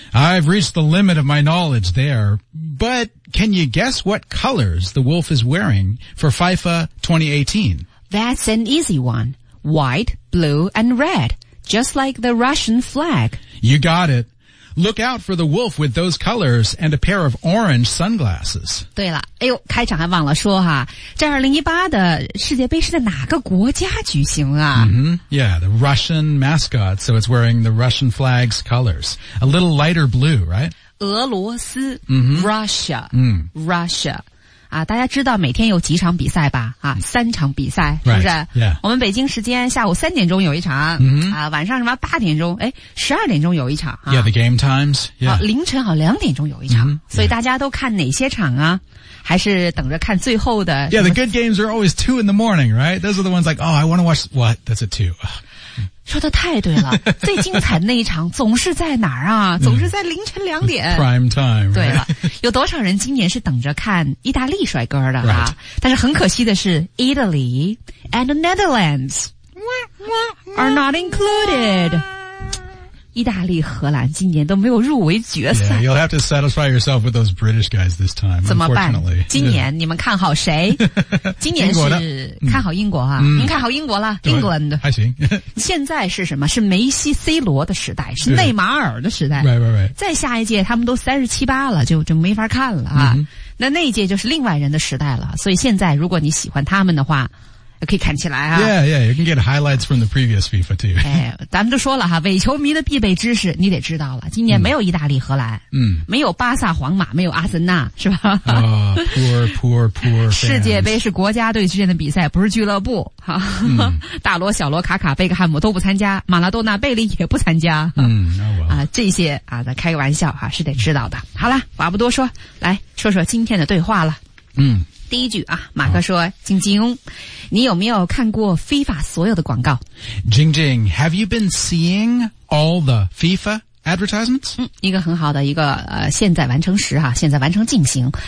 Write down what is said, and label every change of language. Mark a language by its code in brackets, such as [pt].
[en] I've reached the limit of my knowledge there. But can you guess what colors the wolf is wearing for FIFA 2018? That's an easy one. White, blue, and red, just like the Russian flag. You got it. Look out for the wolf with those colors and a pair of orange sunglasses. [zh] 对了，哎呦，开场还忘了说哈，这2018的世界杯是在哪个国家举行啊、 mm-hmm. [en] Yeah, the Russian mascot, so it's wearing the Russian flag's colors. A little lighter blue, right? [zh] 俄罗斯、 mm-hmm. [en] Russia、 mm. Russia [zh] 啊，大家知道每天有几场比赛吧？啊，三场比赛是不是？ [en] Right. Yeah. [zh] 我们北京时间下午三点钟有一场， mm-hmm. 啊，晚上什么八点钟？哎，十二点钟有一场。啊、 [en] yeah, the game times. Yeah. [zh] 啊、凌晨好两点钟有一场， mm-hmm. 所以大家都看哪些场啊？还是等着看最后的 [en] ？Yeah, the good games are always two in the morning, right? Those are the ones like, oh, I want to watch what? That's at two. [zh] 说的太对了，最精彩的那一场总是在哪儿啊？总是在凌晨两点。 [en] It's、prime time、right?。 [zh] 对了，有多少人今年是等着看意大利帅哥的啊？ [en] Right. [zh] 但是很可惜的是 [en] ，Italy and the Netherlands are not included。 [zh] 意大利、荷兰今年都没有入围决赛。 [en] Yeah, you'll have to satisfy yourself with those British guys this time. [zh] 怎么办？今年你们看好谁？今年是看好英国啊？嗯、您看好英国了 ？England 还行。现在是什么？是梅西、C 罗的时代，是内马尔的时代。 [en] Right, right, right. [zh] 再下一届他们都三十七八了，就没法看了啊。 Mm-hmm. 那一届就是另外人的时代了。所以现在如果你喜欢他们的话。可以看起来啊 [en] Yeah, yeah, you can get highlights from the previous FIFA too [zh] 哎，咱们都说了哈，伪球迷的必备知识你得知道了今年没有意大利荷兰嗯，没有巴萨皇马没有阿森纳是吧、 [en] oh, Poor, poor, poor fans [zh] 世界杯是国家队之间的比赛不是俱乐部哈、嗯、大罗小罗卡卡贝克汉姆都不参加马拉多纳贝利也不参加 [en] 嗯、oh well. [zh] 啊，这些啊，咱开个玩笑哈、啊，是得知道的好了话不多说来说说今天的对话了嗯第一句啊，马克说：“晶晶，你有没有看过 FIFA 所有的广告？” [en] Jing Jing, have you been seeing all the FIFA advertisements? [zh] 嗯，一个很好的一个现在完成时哈、啊，现在完成进行。